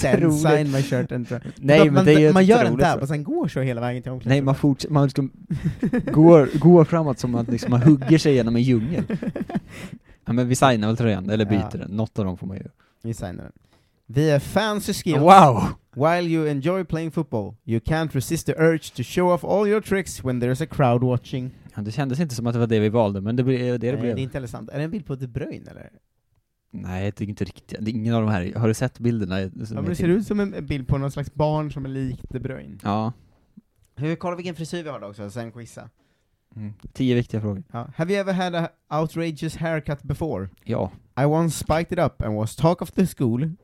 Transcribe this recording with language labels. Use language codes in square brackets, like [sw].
[sv] Nej, det är inte [en] sign my shirt and throw. [sv] Nej, men det är ju man gör en dab och sen går så hela vägen till omklädningsrummet. Nej, man liksom går framåt som att liksom man hugger sig genom en djungel. Ja, men vi signar väl tröjan eller byter den. Något av dem får man ju. Vi signar den. Via [en] fancy skills. Wow! While you enjoy playing football, you can't resist the urge to show off all your tricks when there's a crowd watching. [sv] Ja, det kändes inte som att det var det vi valde, men det blev det. Nej, det blev. Det är intressant. Är det en bild på De Bruyne, eller? Nej, det är inte riktigt. Det är ingen av de här. Har du sett bilderna? Ja, det ser ut som en bild på någon slags barn som är lik De Bruyne. Ja. Hur, kolla vilken frisyr vi har då också, sen quizza. Mm. 10 viktiga frågor. [en] Have you ever had an outrageous haircut before? [sv] Ja. [en] I once spiked it up and was talk of the school.